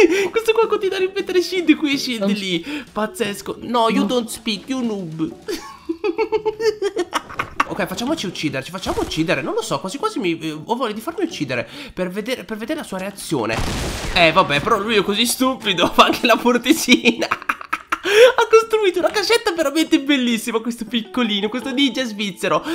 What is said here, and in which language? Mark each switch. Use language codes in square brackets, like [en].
[it] Questo qua continua a ripetere shield qui e shield lì. Pazzesco. [en] No, you don't speak, you noob. [it] Ok, facciamoci uccidere. Non lo so, quasi mi... ho voglia di farmi uccidere per vedere la sua reazione. Vabbè, però lui è così stupido. Fa anche la porticina. Ha costruito una cassetta veramente bellissima, questo piccolino, questo ninja svizzero.